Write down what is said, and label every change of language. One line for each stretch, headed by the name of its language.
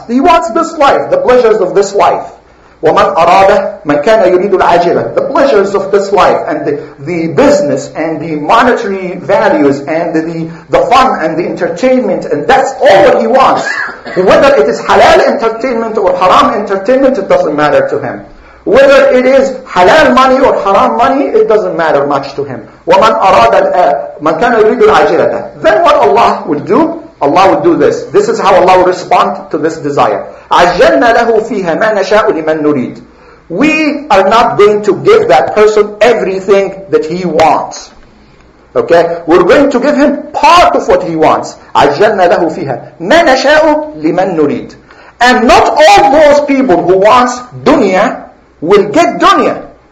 English: He wants this life, the pleasures of this life.
Arabic: وَمَنْ أَرَادَ مَنْ كَانَ يُرِيدُ الْعَاجِلَةِ,
English: the pleasures of this life and the business and the monetary values and the fun and the entertainment, and that's all what he wants. Whether it is halal entertainment or haram entertainment, it doesn't matter to him. Whether it is halal money or haram money, it doesn't matter much to him.
Arabic: وَمَنْ أَرَادَ مَنْ كَانَ يُرِيدُ الْعَاجِلَةِ,
English: then what Allah will do? Allah will do this. This is how Allah will respond to this desire.
Arabic: عَجَّلْنَا لَهُ فِيهَا مَا نَشَاءُ لِمَنْ نُرِيدُ,
English: we are not going to give that person everything that he wants. Okay? We're going to give him part of what he wants.
Arabic: عَجَّلْنَا لَهُ فِيهَا مَا نَشَاءُ لِمَنْ نُرِيدُ,
English: and not all those people who want dunya will get dunya.